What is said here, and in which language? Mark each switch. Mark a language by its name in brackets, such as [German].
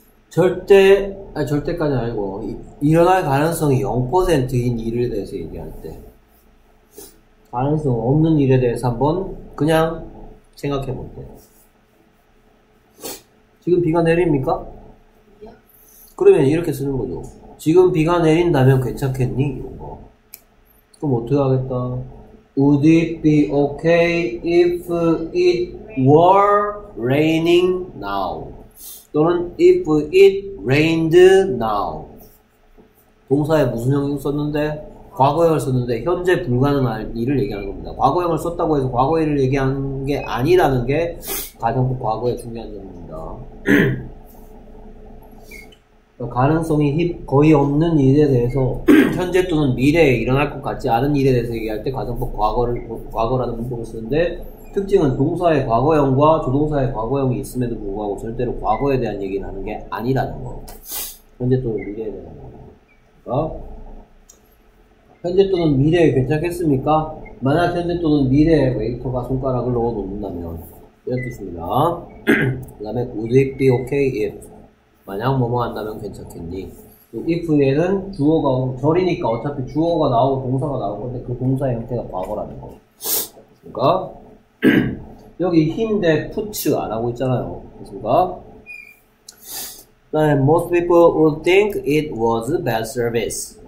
[Korean] 절대, 아니 절대까지 아니고 일어날 가능성이 0%인 일에 대해서 얘기할 때 가능성 없는 일에 대해서 한번 그냥 생각해 볼 때 지금 비가 내립니까? 그러면 이렇게 쓰는 거죠. 지금 비가 내린다면 괜찮겠니? 이런 거. 그럼 어떻게 하겠다? [English] Would it be okay if it were raining now? 또는 if it rained now. [Korean] 동사에 무슨 형용 썼는데? 과거형을 썼는데 현재 불가능한 일을 얘기하는 겁니다. 과거형을 썼다고 해서 과거일을 얘기하는 게 아니라는 게 가정법 과거의 중요한 점입니다. 가능성이 거의 없는 일에 대해서 현재 또는 미래에 일어날 것 같지 않은 일에 대해서 얘기할 때 가정법 과거라는 문법을 쓰는데 특징은 동사의 과거형과 조동사의 과거형이 있음에도 불구하고 절대로 과거에 대한 얘기를 하는 게 아니라는 거. 현재 또는 미래에 대한 거. 그러니까 현재 또는 미래에 괜찮겠습니까? 만약 현재 또는 미래에 웨이터가 손가락을 넣어 놓는다면 이런 뜻입니다. 그 다음에 [English] would it be okay if [Korean] 만약 뭐뭐 한다면 괜찮겠니? if에는 주어가, 절이니까 어차피 주어가 나오고 동사가 나오고, 근데 그 동사 형태가 과거라는 거. 그니까, 여기 him 대 put 안 하고 있잖아요. [English] 그니까, most people would think it was bad service.